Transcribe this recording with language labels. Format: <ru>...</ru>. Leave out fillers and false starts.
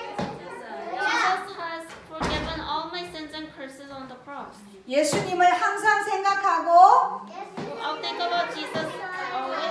<en>Jesus has forgiven all my sins and curses on the cross.</en> <ko>예수님을 항상 생각하고</ko> <en>I'll think about Jesus always.</en>